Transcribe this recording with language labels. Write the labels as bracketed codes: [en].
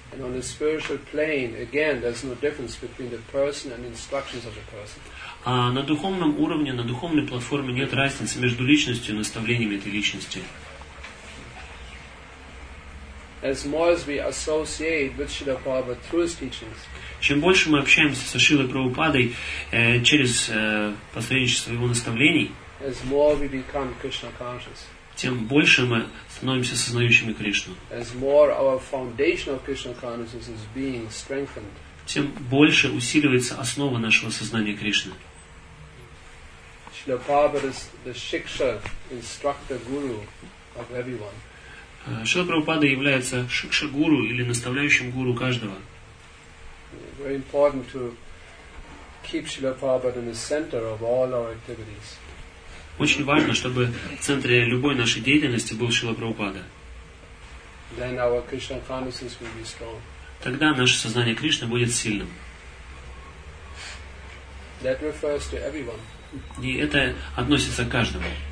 [en] And on the spiritual plane, again, there's no difference between the person and instructions of the person. [ru] А на духовном уровне, на духовной платформе нет разницы между личностью и наставлениями этой личности. [en] As more as we associate with Srila Prabhupada through his teachings. [ru] Чем больше мы общаемся со Шрилой Прабхупадой через посредничество его наставлений, [en] as more we become Krishna conscious. [ru] Тем больше мы становимся сознающими Кришну. [en] As more our foundation of Krishna consciousness is being strengthened. [ru] Тем больше усиливается основа нашего сознания Кришны. [en] Srila Prabhupada is the shiksha instructor guru of everyone. [ru] Шрила Прабхупада является шикша гуру или наставляющим гуру каждого. [en] Very important to keep Srila Prabhupada in the center of all our activities. [ru] Очень важно, чтобы в центре любой нашей деятельности был Шрила Прабхупада. [en] Then our Krishna consciousness will be strong. [ru] Тогда наше сознание Кришны будет сильным. [en] That refers to everyone. [ru] И это относится к каждому.